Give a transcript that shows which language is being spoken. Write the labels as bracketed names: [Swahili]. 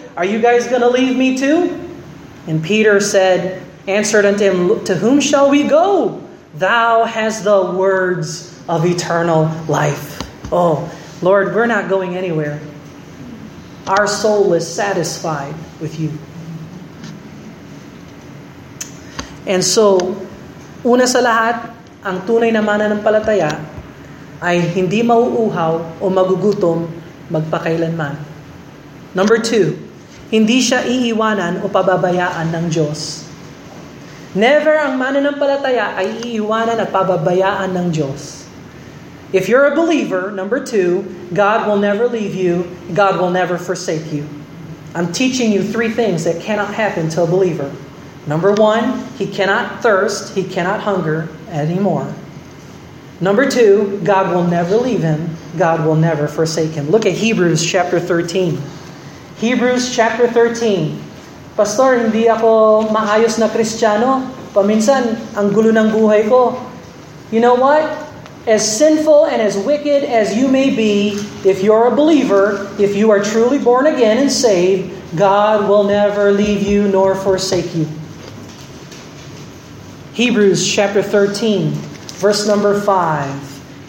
[English] Are you guys going to leave me too? And Peter answered unto him, To whom shall we go? Thou hast the words of eternal life." Oh, Lord, we're not going anywhere. Our soul is satisfied with you. And so, [Filipino] una sa lahat, ang tunay na mananampalataya ay hindi mauuhaw o magugutom magpakailanman. [English] Number two, [Filipino] hindi siya iiwanan o pababayaan ng Diyos. Never ang mananampalataya ay iiwanan at pababayaan ng Diyos. [English] If you're a believer, number two, God will never leave you, God will never forsake you. I'm teaching you three things that cannot happen to a believer. Number one, he cannot thirst, he cannot hunger anymore. Number two, God will never leave him, God will never forsake him. Look at Hebrews chapter 13. Hebrews chapter 13. [Filipino] Pastor, hindi ako maayos na Kristiyano. Paminsan, ang gulo ng buhay ko. [English] You know what? As sinful and as wicked as you may be, if you're a believer, if you are truly born again and saved, God will never leave you nor forsake you. Hebrews chapter 13, verse number 5.